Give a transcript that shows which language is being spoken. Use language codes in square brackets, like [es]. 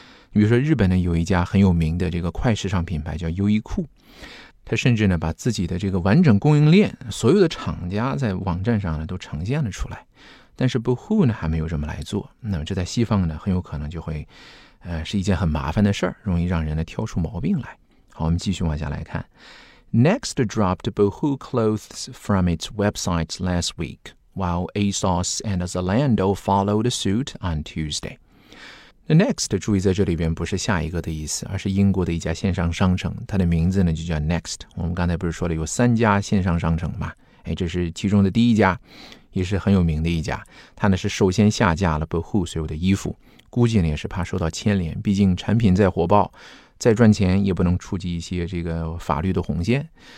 [zh] 比如说日本呢有一家很有名的这个快时尚品牌叫优衣库，他甚至呢把自己的这个完整供应链所有的厂家在网站上呢都呈现了出来，但是 Boohoo 呢还没有这么来做。那么这在西方呢很有可能就会是一件很麻烦的事儿，容易让人呢挑出毛病来。好，我们继续往下来看。 [en] Next dropped Boohoo clothes from its website last week, while ASOS and Zalando followed suit on Tuesday. [zh] Next, 注意在这里边不是下一个的意思，而是英国的一家线上商城，它的名字呢就叫 Next。我们刚才不是说了有三家线上商城吗？这是其中的第一家，也是很有名的一家，它呢是首先下架了 Boohoo 所有的衣服，估计呢也是怕受到牵连，毕竟产品再火爆再赚钱也不能触及一些这个法律的红线。